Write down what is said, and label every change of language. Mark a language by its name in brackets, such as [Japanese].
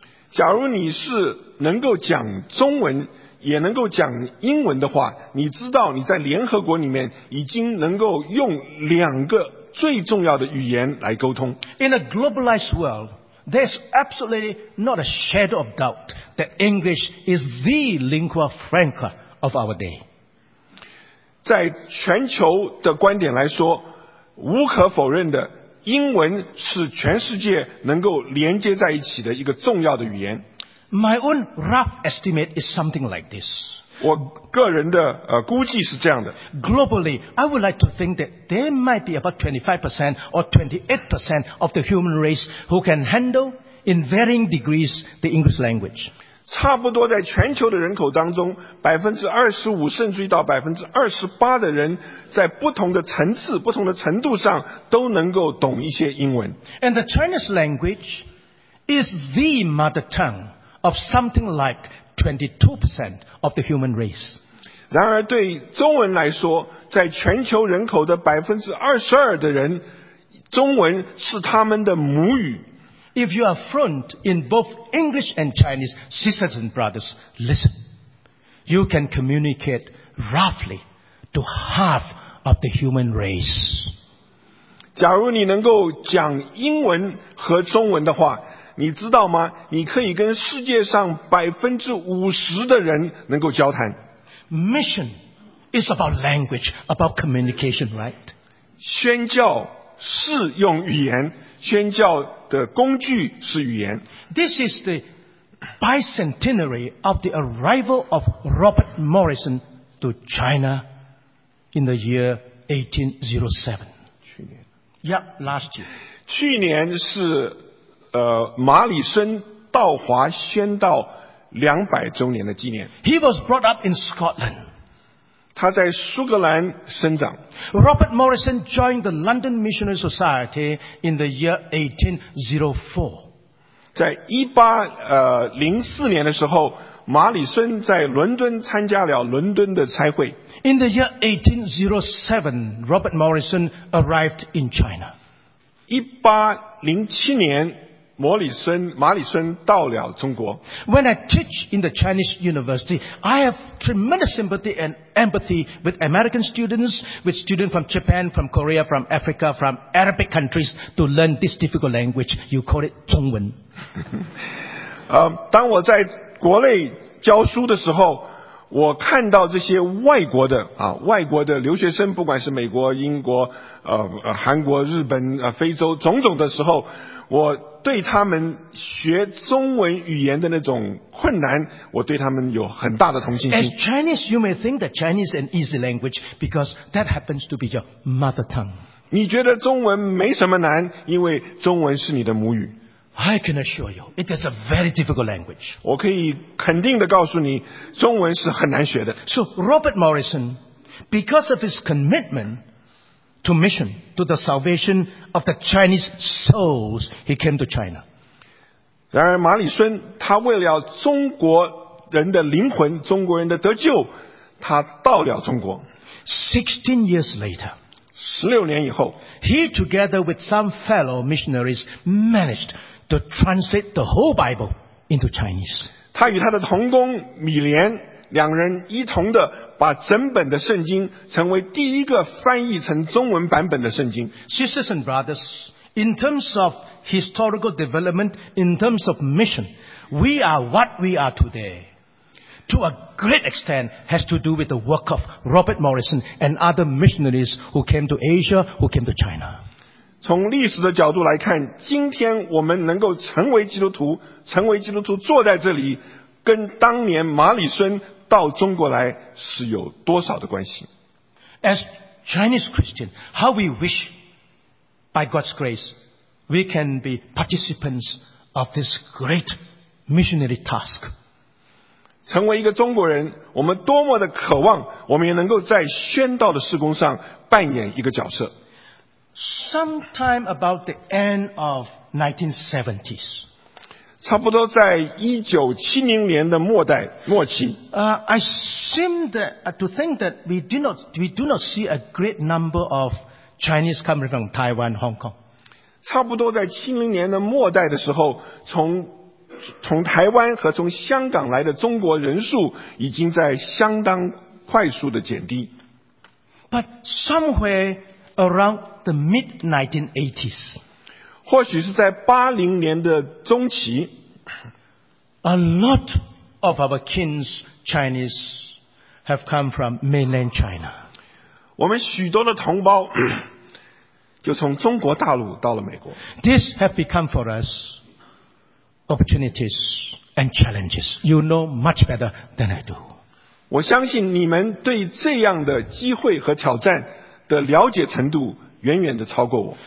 [Chinese] 假如你是能够讲中文也能够讲英文的话，你知道你在联合国里面已经能够用两个最重要的语言来沟通。 [English] In a globalized world, there's absolutely not a shadow of doubt that English is the lingua franca of our day. [Chinese] 在全球的观点来说，无可否认的，英文是全世界能够连接在一起的一个重要的语言。 [English] My own rough estimate is something like this. [Chinese] 我个人的估计是这样的。 [English] Globally, I would like to think that there might be about 25% or 28% of the human race who can handle in varying degrees the English language. [Chinese] 差不多在全球的人口当中 ,25% 甚至于到 28% 的人在不同的层次、不同的程度上都能够懂一些英文。 [English] And the Chinese language is the mother tongue. Of something like 22% of the human race. [Chinese] 然而对中文来说，在全球人口的22%的人，中文是他们的母语。 [English] If you are fluent in both English and Chinese, sisters and brothers, listen. You can communicate roughly to half of the human race. [Chinese] 假如你能够讲英文和中文的话。你知道吗？你可以跟世界上50%的人能够交谈。 [English] Mission is about language, about communication, right? [Chinese] 宣教是用语言，宣教的工具是语言。 [English] This is the bicentenary of the arrival of Robert Morrison to China in the year 1807. [Chinese] 去年。 [English] Yep, last year. [Chinese] 去年是。马里森道华宣道200周年的纪念。 [English] He was brought up in Scotland. [Chinese] 他在苏格兰生长。 [English] Robert Morrison joined the London Missionary Society in the year 1804. [Chinese] 在1804年的时候，马里森在伦敦参加了伦敦的差会。 [English] In the year 1807, Robert Morrison arrived in China. [Chinese] 1807年。马里森到了中国。 [English] When I teach in the Chinese university, I have tremendous sympathy and empathy with American students, with students from Japan, from Korea, from Africa, from Arabic countries to learn this difficult language. You call it 中文。 [Chinese] 当我在国内教书的时候，我看到这些外国的啊，外国的留学生，不管是美国、英国、韩国、日本、非洲种种的时候，我对他们学中文语言的那种困难，我对他们有很大的同情心。 [English] As Chinese, you may think that Chinese is an easy language because that happens to be your mother tongue. [Chinese] 你觉得中文没什么难，因为中文是你的母语。 [English] I can assure you, it is a very difficult language. [Chinese] 我可以肯定地告诉你，中文是很难学的。 [English] So Robert Morrison, because of his commitment to mission, to the salvation of the Chinese souls, he came to China. [Chinese] 然而马里孙，他为了中国人的灵魂，中国人的得救，他到了中国。 [English] 16 years later, [Chinese] 16年以后， [English] he together with some fellow missionaries managed to translate the whole Bible into Chinese. [Chinese] 他与他的同工米连两人一同的把整本的圣经成为第一个翻译成中文版本的圣经。 [English] Sisters and brothers, in terms of historical development, in terms of mission, we are what we are today. To a great extent, has to do with the work of Robert Morrison and other missionaries who came to Asia, who came to China. [Chinese] 从历史的角度来看，今天我们能够成为基督徒，成为基督徒坐在这里，跟当年马里孙到中国来是有多少的关系。 [English] As Chinese Christian, how we wish by God's grace we can be participants of this great missionary task. [Chinese] 成为一个中国人，我们多么的渴望我们也能够在宣道的事工上扮演一个角色。 [English] Sometime about the end of 1970s, [Chinese] 差不多在1970年的末代末期。 [English] I seem to think that we do not see a great number of Chinese coming from Taiwan, Hong Kong. [Chinese] 差不多在70年的末代的时候，从台湾和从香港来的中国人数已经在相当快速的减低。 [English] But somewhere around the mid-1980s, [Chinese] 或许是在80年的中期， [English] a lot of our kin's Chinese have come from mainland China. [Chinese] 我们许多的同胞就从中国大陆到了美国。 [English] This have become for us opportunities and challenges. You know much better than I do. [Chinese] 我相信你们对这样的机会和挑战的了解程度远远的超过我。